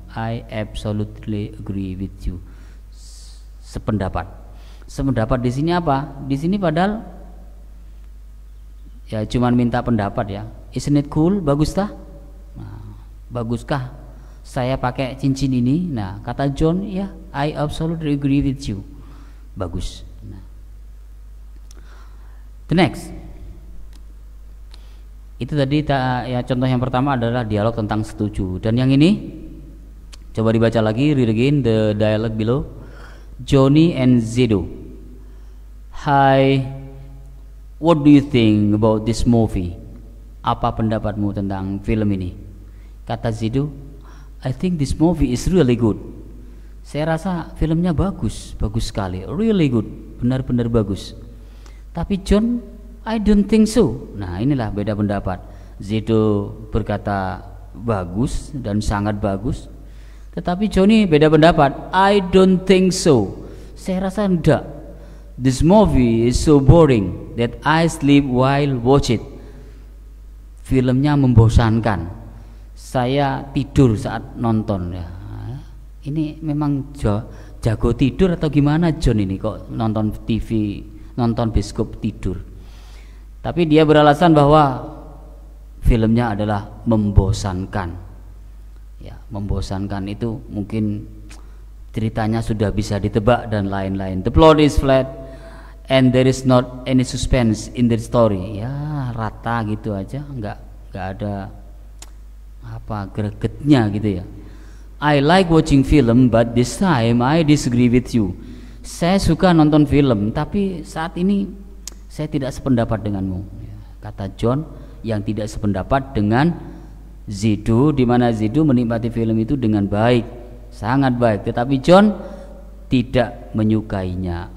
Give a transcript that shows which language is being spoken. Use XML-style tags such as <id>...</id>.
<en>I absolutely agree with you.</en> <id>Sependapat. Sependapat di sini apa? Di sini padahal ya cuman minta pendapat, ya.</id> <en>Isn't it cool?</en> <id>Bagus tah? baguskah saya pakai cincin ini? Nah, kata John, ya,</id> <en>I absolutely agree with you.</en> <id>Bagus. Nah.</id> <en>The next.</en> <id>Itu tadi ya, contoh yang pertama adalah dialog tentang setuju. Dan yang ini, coba dibaca lagi,</id> <en>read again the dialogue below. Johnny and Zedo. Hi, what do you think about this movie?</en> <id>Apa pendapatmu tentang film ini? Kata Zedo,</id> <en>I think this movie is really good.</en> <id>Saya rasa filmnya bagus, bagus sekali,</id> <en>really good,</en> <id>benar-benar bagus. Tapi John,</id> <en>I don't think so.</en> <id>Nah, inilah beda pendapat. Zedo berkata bagus dan sangat bagus. Tetapi Johnny beda pendapat.</id> <en>I don't think so.</en> <id>Saya rasa enggak.</id> <en>This movie is so boring that I sleep while watch it.</en> <id>Filmnya membosankan. Saya tidur saat nonton. Ya. Ini memang jago tidur atau gimana John ini? Kok nonton TV, nonton bioskop tidur? Tapi dia beralasan bahwa filmnya adalah membosankan. Ya, membosankan itu mungkin ceritanya sudah bisa ditebak dan lain-lain.</id> <en>The plot is flat and there is not any suspense in the story.</en> <id>Ya, rata gitu aja, enggak ada apa gregetnya gitu ya.</id> <en>I like watching film but this time I disagree with you.</en> <id>Saya suka nonton film tapi saat ini saya tidak sependapat denganmu, kata John yang tidak sependapat dengan Zedo, di mana Zedo menikmati film itu dengan baik, sangat baik. Tetapi John tidak menyukainya.</id>